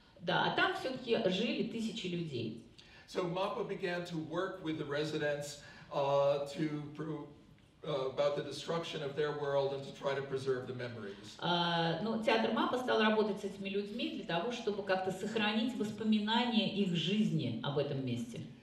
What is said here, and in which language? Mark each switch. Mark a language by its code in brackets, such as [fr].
[ru] Да, а там все-таки жили тысячи людей. [en] So MAPA began to work with the residents to about the destruction of their world and to try to preserve the memories. [ru] Театр MAPA стал работать с этими людьми для того, чтобы как-то сохранить воспоминания их жизни об этом месте.